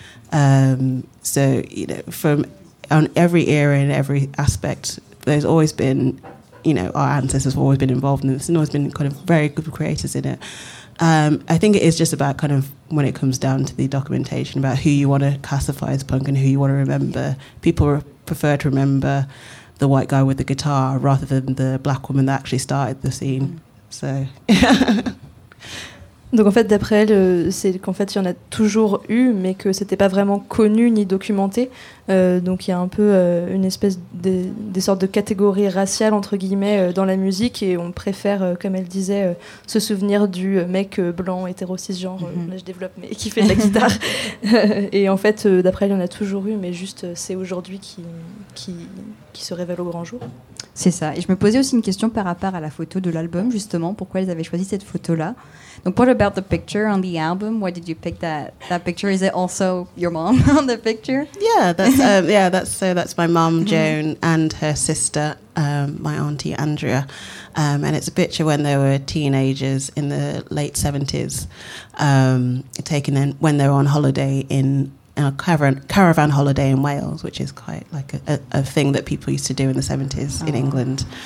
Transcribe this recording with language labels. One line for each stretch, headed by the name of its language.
English: So, you know, from on every era and every aspect, there's always been, you know, our ancestors have always been involved in this and always been kind of very good creators in it. I think it is just about kind of when it comes down to the documentation about who you want to classify as punk and who you want to remember. People prefer to remember the white guy with the guitar rather than the black woman that actually started the scene. So.
French: Donc en fait, d'après elle, c'est qu'en fait, il y en a toujours eu, mais que c'était pas vraiment connu ni documenté. Donc il y a un peu une espèce des sortes de catégories raciales, entre guillemets, dans la musique, et on préfère, comme elle disait, se souvenir du mec blanc, hétéro, cisgenre, là je développe, mais qui fait de la guitare. Et en fait, d'après elle, il y en a toujours eu, mais juste c'est aujourd'hui qui se révèle au grand jour. C'est ça. Et je me posais aussi une question par rapport à la photo de l'album, justement, pourquoi elles avaient choisi cette photo-là.
English: Donc, what about the picture on the album? Why did you pick that picture? Is it also your mom on the picture? Yeah, that's my mom, Joan, and her sister, my auntie Andrea. And it's a picture when they were teenagers in the late 70s, taken in when they were on holiday in a caravan holiday in Wales, which is quite like a thing that people used to do in the 70s in England.